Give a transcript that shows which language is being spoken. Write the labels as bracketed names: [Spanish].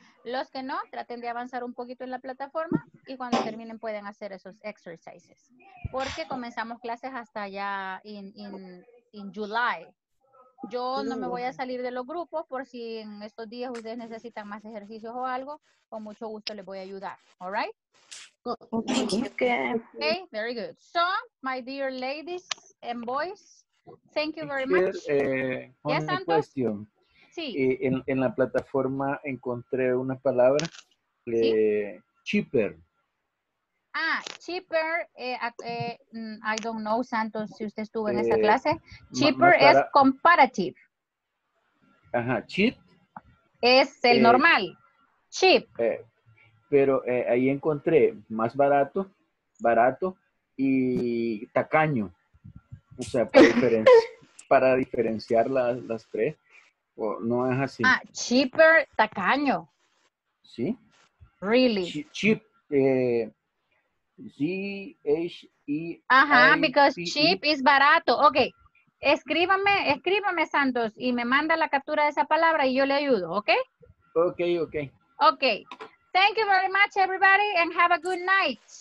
[Spanish] Los que no, traten de avanzar un poquito en la plataforma y cuando terminen pueden hacer esos exercises. Porque comenzamos clases hasta ya [English] in July. [Spanish] Yo no me voy a salir de los grupos por si en estos días ustedes necesitan más ejercicios o algo, con mucho gusto les voy a ayudar. [English] All right? Thank you. Okay, very good. So, my dear ladies and boys, thank you very much. Yes, Santos? Question. [Spanish] Sí. En la plataforma encontré una palabra, cheaper. Ah, cheaper, [English] I don't know, [Spanish] Santos, si usted estuvo en esa clase. Cheaper es comparative. Ajá, cheap. Es el normal, cheap. Pero ahí encontré más barato, barato y tacaño. O sea, para diferenciar las tres. O, no es así. Ah, cheaper, tacaño. ¿Sí? [English] Really. Cheap. Z-H-E-I-P. Ajá, because cheap is barato. Ok. [Spanish] Escríbame, Santos, y me manda la captura de esa palabra y yo le ayudo, ¿ok? Ok, ok. Ok. [English] Thank you very much, everybody, and have a good night.